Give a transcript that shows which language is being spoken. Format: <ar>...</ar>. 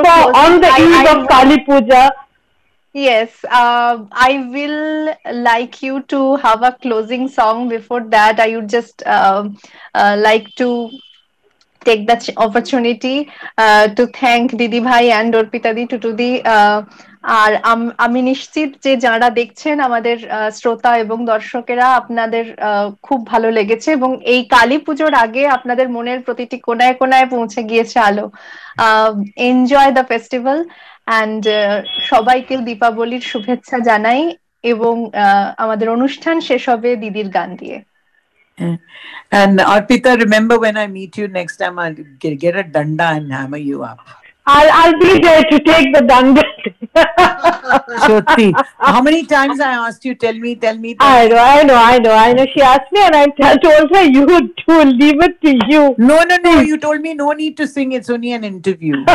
<en>closing, on the eve of Kali Puja. Yes, I will like you to have a closing song. Before that, I would just like to take that opportunity to thank Didi Bhai and Orpita Di Tutudi.</en> <bn>আর আমি নিশ্চিত যে যারা দেখছেন আমাদের শ্রোতা এবং দর্শকেরা আপনাদের খুব ভালো লেগেছে এবং এই কালী পুজোর আগে আপনাদের মনের প্রতিটি কোনায় কোনায় পৌঁছে গিয়েছে আলো</bn> <en>enjoy the festival and</en> <bn>সবাইকে দীপাবলির শুভেচ্ছা জানাই এবং আমাদের অনুষ্ঠান শেষ হবে দিদির গান দিয়ে</bn> <en>And Arpita remember when I meet you next time I get a danda and hammer you up I'll be there to take the danda. Shruti, how many times I asked you, tell me. I know. She asked me and I told her, you do, leave it to you. No. You told me no need to sing. It's only an interview.</en>